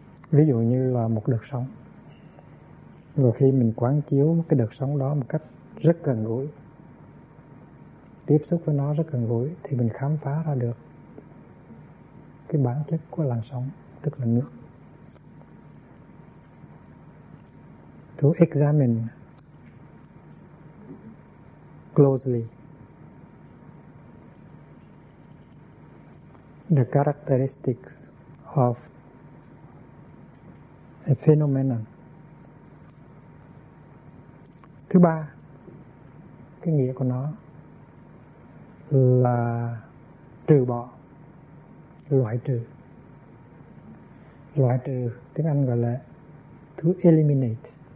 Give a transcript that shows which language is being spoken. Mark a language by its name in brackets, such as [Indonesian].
[Vietnamese] Ví dụ như là một đợt sóng. Và khi mình quán chiếu cái đợt sóng đó một cách rất gần gũi, tiếp xúc với nó rất gần gũi, thì mình khám phá ra được cái bản chất của làn sóng, tức là nước. [English] To examine closely the characteristics of a phenomenon. [Vietnamese] Thứ ba, cái nghĩa của nó là trừ bỏ, loại trừ. Loại trừ tiếng Anh gọi là [English] to eliminate.